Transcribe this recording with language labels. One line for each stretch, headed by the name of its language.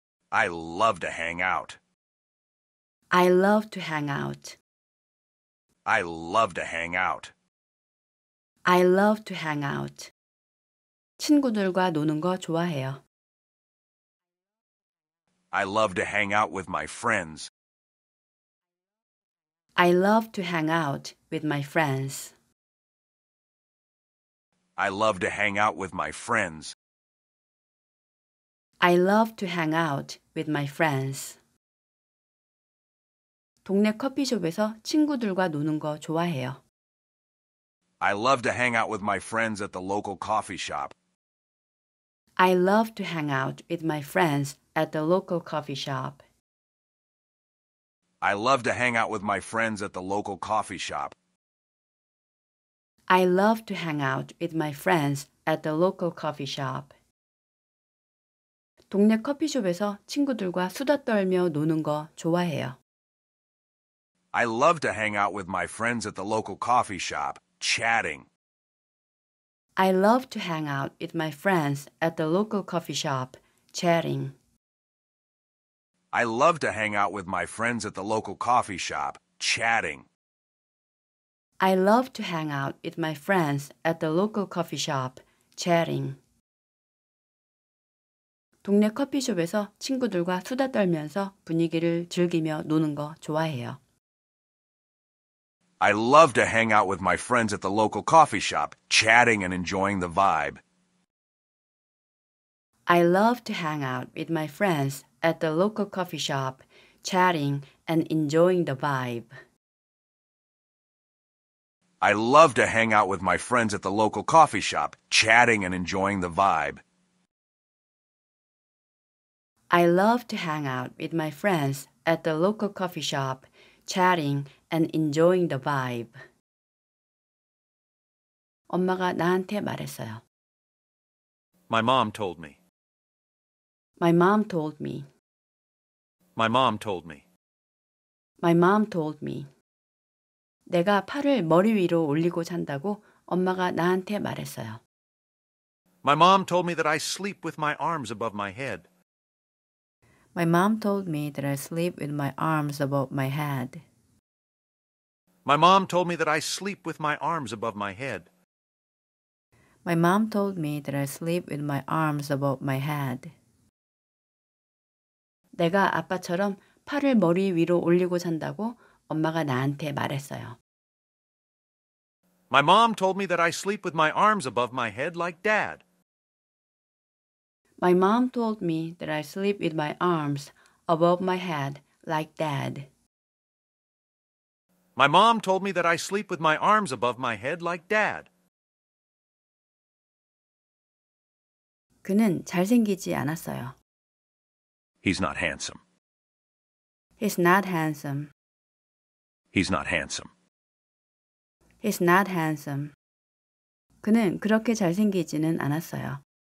English: I love to hang out. I love to hang out. I love to hang out. I love to hang out.
Korean: 친구들과 노는 거 좋아해요.
English: I love to hang out with my friends. I love to hang out with my friends. I love to hang out with my friends. I love to hang out with my friends.
Korean: 동네 커피숍에서 친구들과 노는 거 좋아해요.
English: I love to hang out with my friends at the local coffee shop. I love to hang out with my friends at the local coffee shop. I love to hang out with my friends at the local coffee shop. I love to hang out with my friends at the local coffee shop.
Korean: 동네 커피숍에서 친구들과 수다 떨며 노는 거 좋아해요.
English: I love to hang out with my friends at the local coffee shop, chatting. I love to hang out with my friends at the local coffee shop, chatting. I love to hang out with my friends at the local coffee shop, chatting. I love to hang out with my friends at the local coffee shop, chatting.
Korean: 동네 커피숍에서 친구들과 수다 떨면서 분위기를 즐기며 노는 거 좋아해요.
English: I love to hang out with my friends at the local coffee shop, chatting and enjoying the vibe. I love to hang out with my friends at the local coffee shop, chatting and enjoying the vibe. I love to hang out with my friends at the local coffee shop, chatting and enjoying the vibe. I love to hang out with my friends at the local coffee shop, chatting and enjoying the vibe.
Korean: 엄마가 나한테 말했어요.
English: My mom told me. My mom told me. My mom told me. My mom told me.
Korean: 내가 팔을 머리 위로 올리고 잔다고 엄마가 나한테 말했어요.
English: My mom told me that I sleep with my arms above my head. My mom told me that I sleep with my arms above my head. My mom told me that I sleep with my arms above my head. My mom told me that I sleep with my arms above my head.
Korean: 내가 아빠처럼 팔을 머리 위로 올리고 잔다고 엄마가 나한테 말했어요.
English: My mom told me that I sleep with my arms above my head like dad. My mom told me that I sleep with my arms above my head like dad. My mom told me that I sleep with my arms above my head like dad.
Korean: 그는 잘생기지 않았어요.
English: He's not handsome. He's not handsome. He's not handsome. He's not handsome.
Korean: 그는 그렇게 잘생기지는 않았어요.